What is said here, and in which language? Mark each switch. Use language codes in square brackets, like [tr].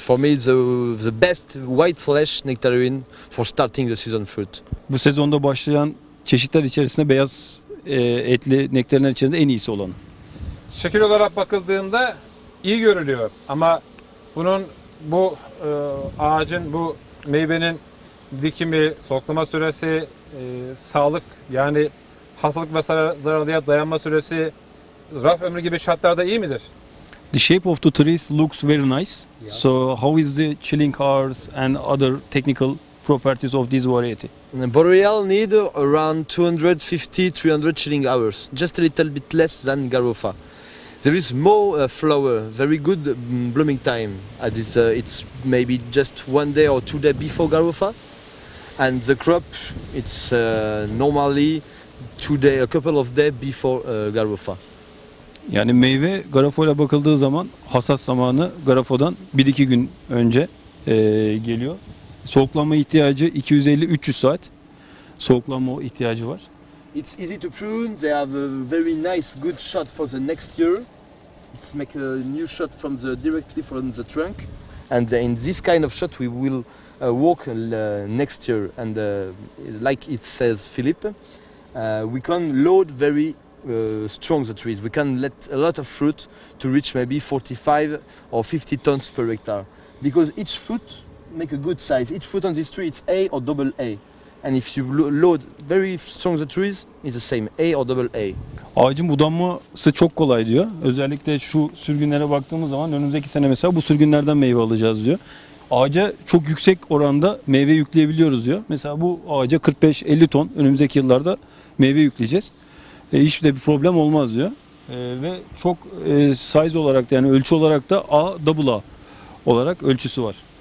[en] For me, it's the best white flesh nectarine for starting the season fruit. [tr] Bu sezonda başlayan çeşitler içerisinde beyaz etli nektarinler içerisinde en iyisi olanı. şekil olarak bakıldığında iyi görülüyor. Ama bunun bu ağacın, bu meyvenin dikimi, soklama süresi, sağlık yani hastalık ve zararlıya dayanma süresi, raf ömrü gibi şartlarda iyi midir? [en] The shape of the trees looks very nice. Yes. So how is the chilling hours and other technical properties of this variety? Boreal need around 250-300 chilling hours, just a little bit less than Garofa. There is more flower, very good blooming time. As it's maybe just one day or two days before Garofa, and the crop it's normally a couple of days before Garofa. [tr] Yani meyve Garofa'yla bakıldığı zaman hasat zamanı Garofa'dan 1-2 gün önce geliyor. Soğuklanma ihtiyacı 250-300 saat soğuklanma ihtiyacı var. [en] It's easy to prune. They have a very nice good shot for the next year. It's make a new shot from the directly from the trunk. And in this kind of shot we will walk next year. And like it says Philippe, we can load very strong the trees. We can let a lot of fruit to reach maybe 45 or 50 tons per hectare. Because each fruit make a good size. Each fruit on this tree it's A or double A. And if you load very strong the trees, it's the same, A or double A. [tr] Ağacın budanması çok kolay diyor. Özellikle şu sürgünlere baktığımız zaman önümüzdeki sene mesela bu sürgünlerden meyve alacağız diyor. Ağaca çok yüksek oranda meyve yükleyebiliyoruz diyor. Mesela bu ağaca 45-50 ton önümüzdeki yıllarda meyve yükleyeceğiz. Hiçbir de bir problem olmaz diyor. Ve çok size olarak da, yani ölçü olarak da A, double A olarak ölçüsü var.